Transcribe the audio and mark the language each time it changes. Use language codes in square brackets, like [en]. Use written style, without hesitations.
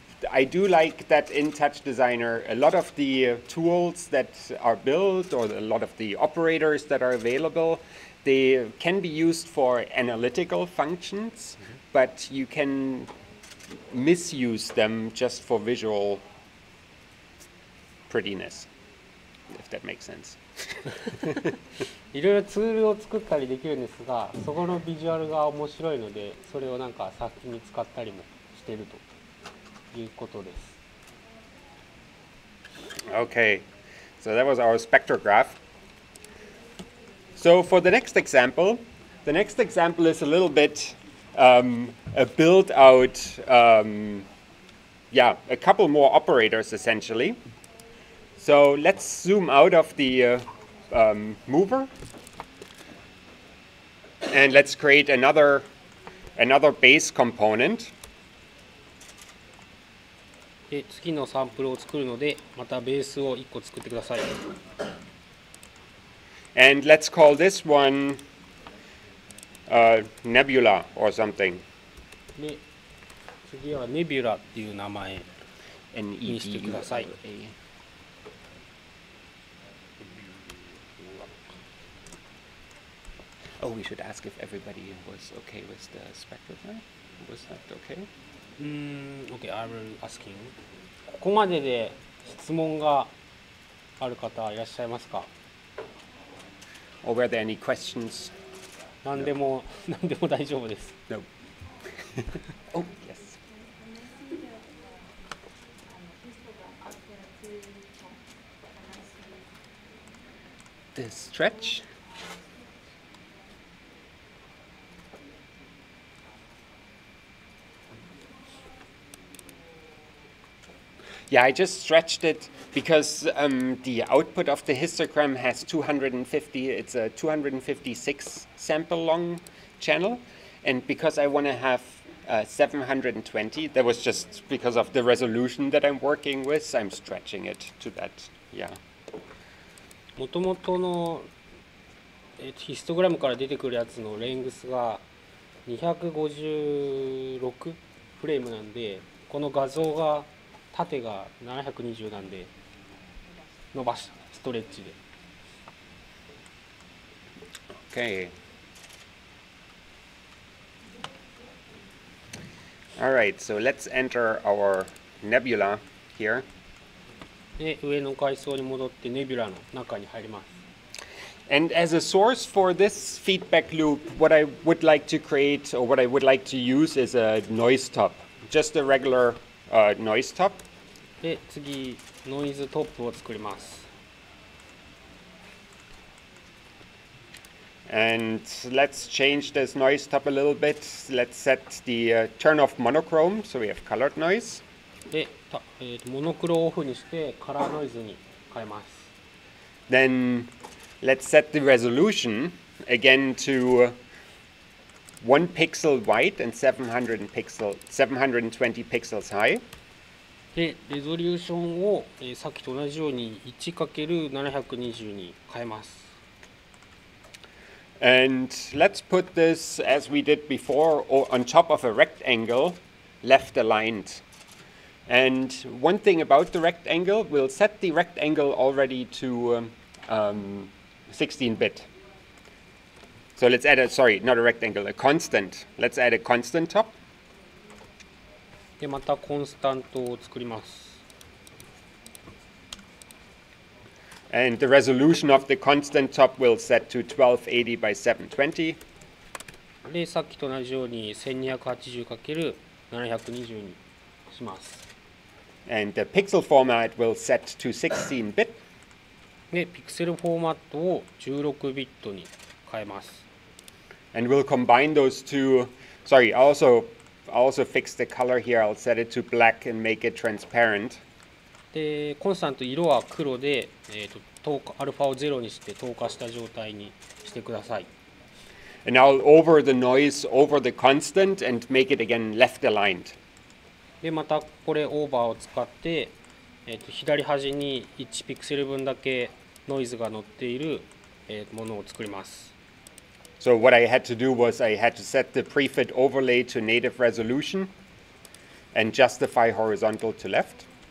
[en] I do like that in TouchDesigner, a lot of the tools that are built or a lot of the operators that are available, they can be used for analytical functions, mm-hmm. but you can misuse them just for visual prettiness, if that makes sense. [ja] いろいろツールを作ったりできるんですが、そこのビジュアルが面白いので、それをなんか先に使ったりもしてると。 [en] Okay, so that was our spectrograph. So for the next example is a little bit a build out, a couple more operators essentially. So let's zoom out of the mover and let's create another base component. [ja] で次のサンプルを作るのでまたベースを1個作ってください。 [en] And let's call this one Nebula or something. [ja] で次は Nebula っていう名前にしてください。 [en] Oh, we should ask if everybody was okay with the spectrograph. Was that okay? Okay, I will ask you. [ja] ここまでで質問がある方いらっしゃいますか? [en] Or were there any questions? [ja] 何でも、何でも大丈夫です。 [en] No. Oh, yes. This stretch. Yeah, I just stretched it because the output of the histogram has 250, it's a 256 sample long channel. And because I want to have 720, that was just because of the resolution that I'm working with, I'm stretching it to that, yeah. [ja] もともとの、ヒストグラムから出てくるやつのレングスが256フレームなんで、この画像が縦が720なんで伸ばしたストレッチで。 [en] Okay. All right. So let's enter our nebula here. [ja] で、上の階層に戻ってネビュラの中に入ります。 [en] And as a source for this feedback loop, what I would like to create or what I would like to use is a noise top, just a regular noise top. [ja] で、次、ノイズトップを作ります。 [en] And let's change this noise top a little bit. Let's set the turn off monochrome so we have colored noise. [ja] で、モノクロをオフにしてカラーノイズに変えます。 [en] Then let's set the resolution again to 1 pixel wide and 720 pixels high. [ja] で、レゾリューションを、さっきと同じように 1×720 に変えます。 [en] And let's put this as we did before on top of a rectangle, left aligned. And one thing about the rectangle, we'll set the rectangle already to 16-bit. So let's add a constant. Let's add a constant top. [ja] で、またコンスタントを作ります。 [en] And the resolution of the constant top will set to 1280 by 720. [ja] で、さっきと同じように1280×720にします。 [en] And the pixel format will set to 16-bit. [ja] で、ピクセルフォーマットを16ビットに変えます。 [en] And we'll combine those two. Sorry, also fix the color here. I'll set it to black and make it transparent. [ja] でコンスタント色は黒で、透過アルファを0にして透過した状態にしてください。 [en] And I'll over the noise over the constant and make it again left aligned. [ja] でまたこれオーバーを使って、左端に1ピクセル分だけノイズが乗っている、ものを作ります。 [en] So what I had to do was I had to set the prefit overlay to native resolution and justify horizontal to left.